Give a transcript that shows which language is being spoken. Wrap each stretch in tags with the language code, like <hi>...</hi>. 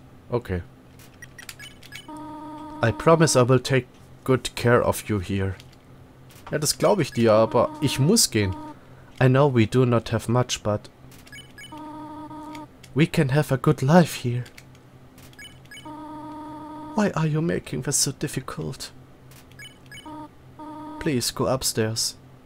<en>Okay. I promise I will take good care of you here.</en> <de>Ja, das glaube ich dir, aber ich muss gehen.</de> <en>I know we do not have much, but... We can have a good life here. Why are you making this so difficult? Please go upstairs.</en>